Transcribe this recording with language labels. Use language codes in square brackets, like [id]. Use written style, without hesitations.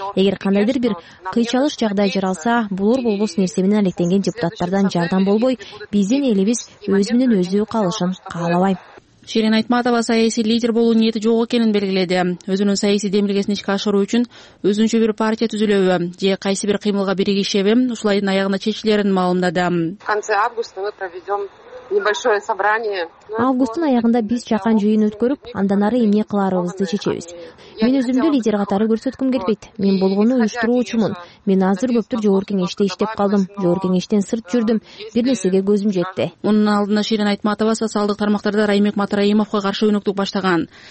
[ky] Эгер кандайдыр бир кыйчалыш жагдай жаралса, булур болбос нерсе менен алектенген депутаттардан жардам болбой, биздин элибиз өз менен өзү калышын каалабайм. Ширин Айтматова саясий лидер болуу ниети жок экенин белгиледи. Өзүнүн саясий демилгесин ишке ашыруу үчүн өзүнчө бир партия түзүлөбү же кайсы бир кыймылга биригишеби ушулайдын аягына чечилерин маалымдады. [ru] В конце августа мы проведем небольшое собрание. [ky] Августтун аягында биз чакан жыйын өткөрүп, андан ары эмне кылаарыбызды чечебиз. Мен өзүмдү лидер катары көрсөткүм келбейт. Мен болгону уюштуруучумун. Мен азыр көптүр жогорку кеңеште иштеп калдым. Жогорку кеңештен сырт жүрдүм. Бир нерсеге көзүм жетти. Мунун алдында Ширин Айтматова социалдык тармактарда Райымбек Матраимовго каршы өнөктүк баштаган.